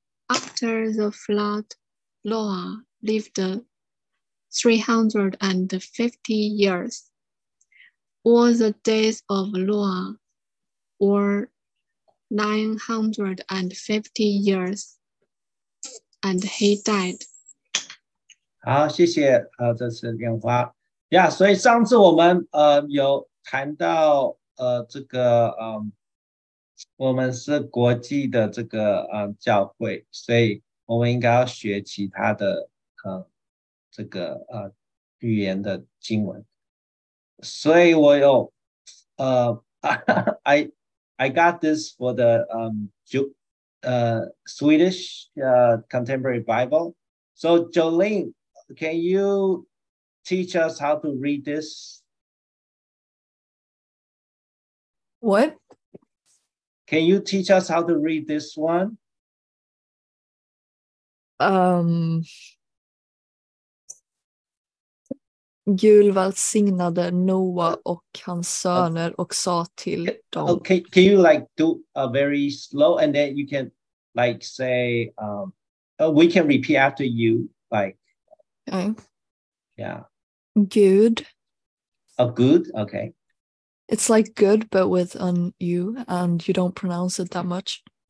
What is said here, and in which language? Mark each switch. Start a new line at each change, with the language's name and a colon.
English: After the flood, Noah lived 350 years. All the days of Noah were 950 years, and he died.
Chinese: 好，谢谢，这是莲花。 Yeah, 所以上次我们有谈到这个我们是国际的这个教会，所以我们应该要学其他的这个语言的经文。所以我有
English: I got this for the Swedish Contemporary Bible. So Jolene, can you teach us how to read this? What? Can you teach us how to read this one?
Swedish: Gud välsignade Noah och hans söner och sa till dem.
English: Okay, can you like do a very slow and then you can like say we can repeat after you like. Okay. Yeah. Good. Oh, good. Okay. It's like good, but with an U, and you don't pronounce it that much.